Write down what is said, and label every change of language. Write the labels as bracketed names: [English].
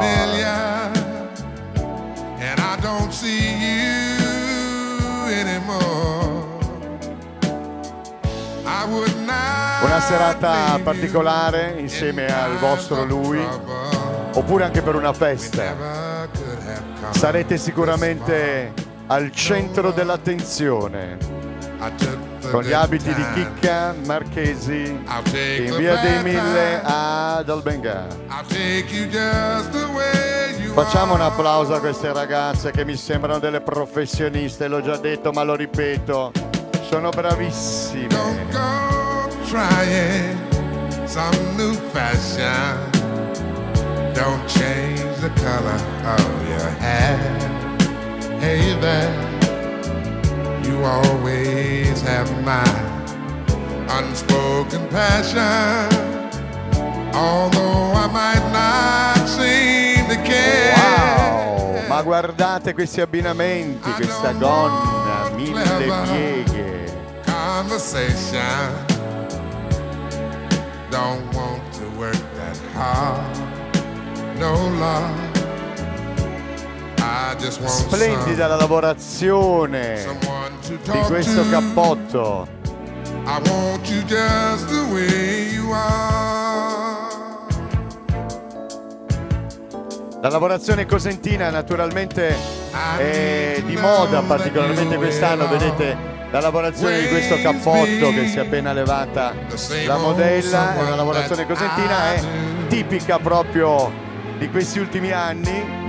[English] Familiar, and I don't see you anymore. I would not. [Italian] Una serata particolare insieme al vostro lui, oppure anche per una festa. Sarete sicuramente al centro dell'attenzione con gli abiti di Chicca Marchesi in Via dei Mille ad Albenga. Facciamo un applauso a queste ragazze che mi sembrano delle professioniste, l'ho già detto ma lo ripeto, sono bravissime. [English] Don't go trying some new fashion. Don't change the color of your hair. Hey there. You always have my unspoken passion. Although I might not seem to care. [Italian] Wow, ma guardate questi abbinamenti, questa gonna, mille pieghe. [English] Conversation. Don't want to work that hard. No love. [Italian] Splendida la lavorazione di questo cappotto. [English] I want you just the way you are. [Italian] La lavorazione cosentina naturalmente è di moda, particolarmente quest'anno. Vedete la lavorazione di questo cappotto che si è appena levata la modella, è una lavorazione cosentina, è tipica proprio di questi ultimi anni.